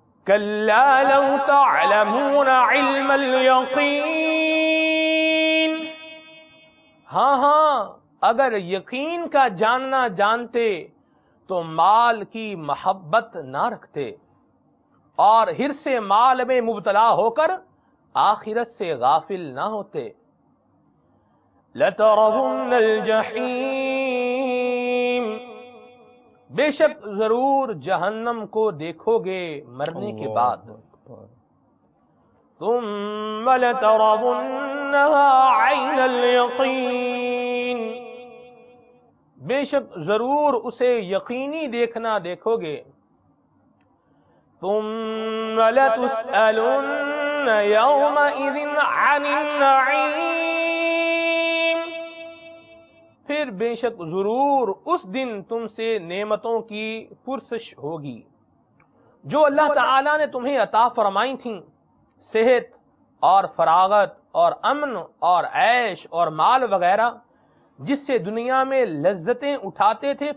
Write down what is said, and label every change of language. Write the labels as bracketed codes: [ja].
[ar] کلا لو تعلمون علم اليقین، [ur] ہاں ہاں اگر یقین کا جاننا جانتے تو مال کی محبت نہ رکھتے اور حرص مال میں مبتلا ہو کر آخرت سے غافل نہ ہوتے. [ar] لترون الجحیم، [ur] بے شک ضرور جہنم کو دیکھو گے مرنے کے بعد. [ar] ثم لترونها عین الیقین، [ur] بے شک ضرور اسے یقینی دیکھنا دیکھو گے. [ar] ثم لتسألن یومئذ عن النعیم، [ur] پھر بے شک ضرور اس دن تم سے نعمتوں کی پرسش ہوگی جو اللہ تعالی نے تمہیں عطا فرمائی تھیں، صحت اور فراغت اور امن اور عیش اور مال وغیرہ، جس سے دنیا میں لذتیں اٹھاتے تھے.